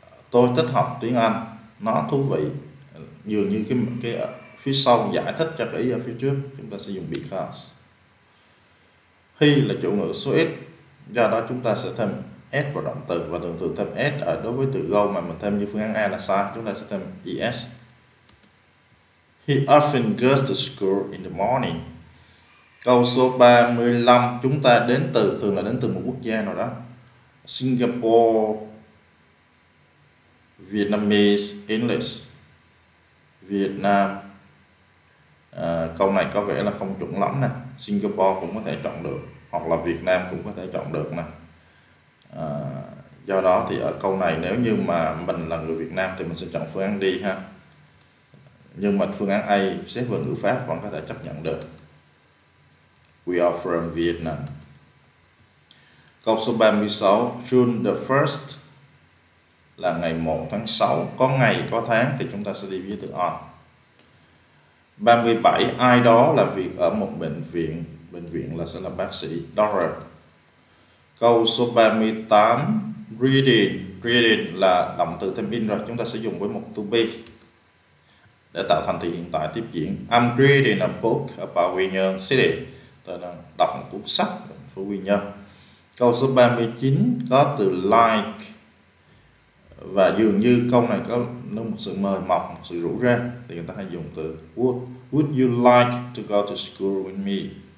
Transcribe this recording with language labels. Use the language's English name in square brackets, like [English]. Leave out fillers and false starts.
[Vietnamese] Tôi thích học tiếng Anh, nó thú vị. Dường như cái phía sau giải thích cho cái ý ở phía trước, chúng ta sẽ dùng because. He là chủ ngữ số ít, do đó chúng ta sẽ thêm s vào động từ, và thường thường thêm s ở đối với từ go mà mình thêm như phương án A là sai, chúng ta sẽ thêm es. [English] He often goes to school in the morning. [Vietnamese] Câu số 35, chúng ta đến từ, thường là đến từ một quốc gia nào đó. [English] Singapore, Vietnamese, English, Vietnam. [Vietnamese] Câu này có vẻ là không chuẩn lắm nè. Singapore cũng có thể chọn được, hoặc là Việt Nam cũng có thể chọn được nè. Do đó thì ở câu này nếu như mà mình là người Việt Nam thì mình sẽ chọn phương án D ha. Nhưng mà phương án A xét về ngữ pháp vẫn có thể chấp nhận được. [English] We are from Vietnam. [Vietnamese] Câu số 36, June the 1st là ngày 1 tháng 6. Có ngày, có tháng thì chúng ta sẽ đi với từ on. 37, ai đó là việc ở một bệnh viện. Bệnh viện là sẽ là bác sĩ, doctor. Câu số 38, reading. Reading là động từ thêm in rồi, chúng ta sẽ dùng với một to be để tạo thành thì hiện tại tiếp diễn. [English] I'm reading a book about Quy Nhơn City. [Vietnamese] Tôi đang đọc một cuốn sách về Quy Nhơn. Câu số 39 có từ like, và dường như câu này có một sự mời mọc, một sự rủ rê, thì người ta hay dùng từ [English] would you like to go to school with me.